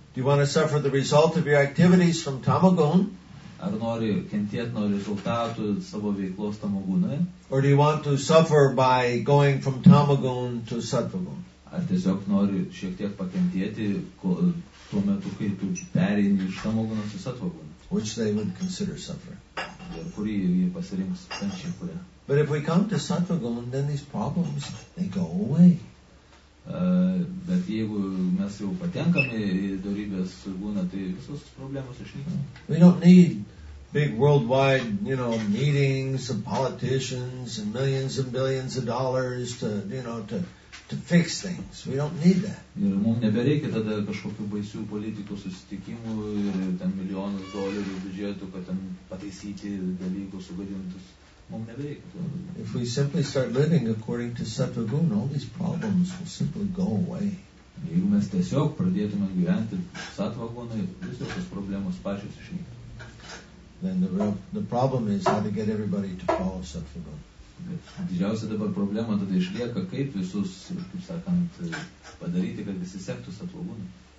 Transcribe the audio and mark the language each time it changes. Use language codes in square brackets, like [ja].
[en] Do you want to suffer the result of your activities from Tamagun? [lt] Ar nori kentėti nuo rezultatų savo veiklos Tamagūnai? [en] Or do you want to suffer by going from Tamagun to Satvagun? [lt] Ar tiesiog nori šiek tiek pakentėti tuo metu, kai tu perėjai iš Tamagūno į Satvagūną? [en] Which they would consider suffering. [lt] Kurį jie pasirinks kančią, kurią. [en] But if we come to Satvagun, then these problems, they go away. [lt] Bet jeigu mes jau patenkame į dorybės būna, tai visos problemos išnyksta. [en] We don't need big worldwide, you know, meetings of politicians and billions of dollars to, you know, to fix things. We don't need that. [lt] Ir mums nebereikia tada kažkokių baisių politikų susitikimų ir ten milijonus dolerių biudžetų, kad ten pataisyti dalykus sugadintus. [en] If we simply start living according to Satvagun, all these problems will simply go away. [lt] Jeigu mes tiesiog pradėtume gyventi Satvagunai, visos tos problemos pačios išnyktų. [en] Then the problem is how to get everybody to follow Satvagun. [lt] Didžiausia dabar problema tada išlieka, kaip visus, kaip sakant, padaryti, kad visi sektų Satvagunai.